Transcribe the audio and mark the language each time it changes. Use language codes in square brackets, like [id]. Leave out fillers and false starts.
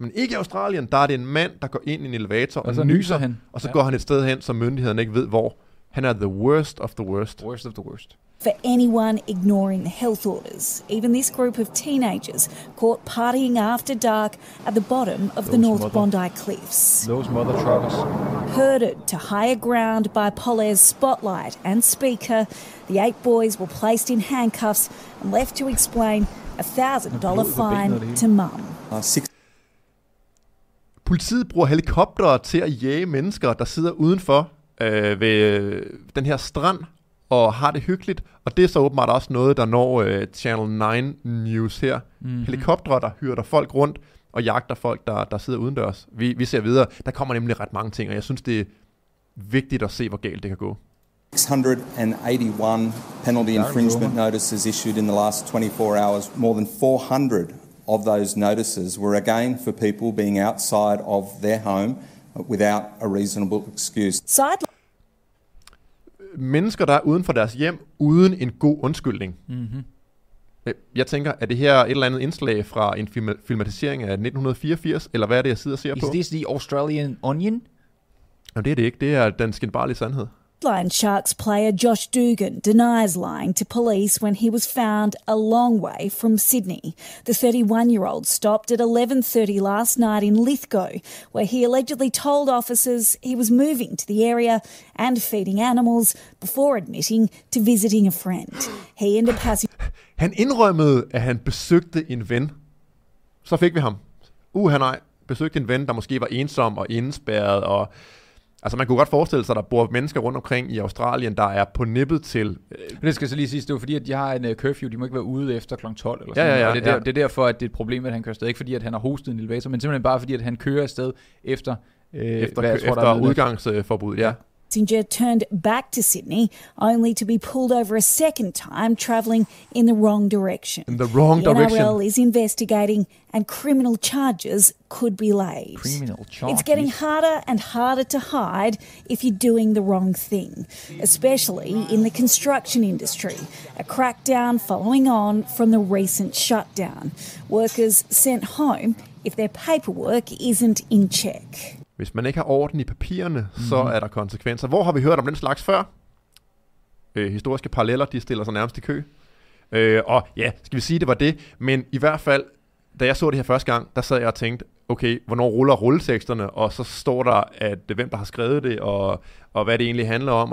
[da] Men ikke i Australien, der er det en mand, der går ind i en elevator og nyser, han. Og så går han et sted hen, som myndighederne ikke ved hvor. Han er [en] the worst of the worst. Worst of the worst. For anyone ignoring the health orders, even this group of teenagers caught partying after dark at the bottom of the North Bondi cliffs. Those mother truckers. Herded to higher ground by Polair's spotlight and speaker, the eight boys were placed in handcuffs and left to explain a $1,000 fine to mum. [da] Politiet bruger helikoptere til at jage mennesker, der sidder udenfor ved den her strand og har det hyggeligt. Og det er så åbenbart også noget, der når Channel 9 News her. Mm-hmm. Helikoptere, der hyrder folk rundt og jagter folk, der sidder udendørs. Vi ser videre. Der kommer nemlig ret mange ting, og jeg synes, det er vigtigt at se, hvor galt det kan gå. [en] 681 penalty infringement notices issued in the last 24 hours. More than 400 of those notices were again for people being outside of their home without a reasonable excuse. [da] Mennesker, der er uden for deres hjem, uden en god undskyldning. Mm-hmm. Jeg tænker, er det her et eller andet indslag fra en filmatisering af 1984, eller hvad er det, jeg sidder og ser [en] Is [da] på? [en] Is this the Australian Onion? [da] Jamen, det er det ikke. Det er den skinbarlige sandhed. [en] Line Sharks player Josh Dugan denies lying to police when he was found a long way from Sydney. The 31-year-old stopped at 11:30 last night in Lithgow, where he allegedly told officers he was moving to the area and feeding animals before admitting to visiting a friend. He and a passenger. [da] Han indrømmede, at han besøgte en ven. Så fik vi ham. Han besøgte en ven, der måske var ensom og indespærret og. Altså, man kunne godt forestille sig, at der bor mennesker rundt omkring i Australien, der er på nippet til. Men det skal jeg så lige sige, det er fordi, at de har en curfew, de må ikke være ude efter kl. 12 eller sådan. Ja, ja, ja. Og det er derfor, at det er et problem, at han kører afsted. Ikke fordi, at han har hostet en elevator, men simpelthen bare fordi, at han kører afsted efter udgangsforbud, ja. [en] Singer turned back to Sydney only to be pulled over a second time travelling in the wrong direction. In the wrong direction. The NRL is investigating and criminal charges could be laid. Criminal charges. It's getting harder and harder to hide if you're doing the wrong thing, especially in the construction industry. A crackdown following on from the recent shutdown. Workers sent home if their paperwork isn't in check. [da] Hvis man ikke har orden i papirerne, så er der konsekvenser. Hvor har vi hørt om den slags før? Historiske paralleller, de stiller sig nærmest i kø. Og ja, skal vi sige, det var det. Men i hvert fald, da jeg så det her første gang, der sad jeg og tænkte, okay, hvornår ruller rulleteksterne? Og så står der, at hvem der har skrevet det, og hvad det egentlig handler om.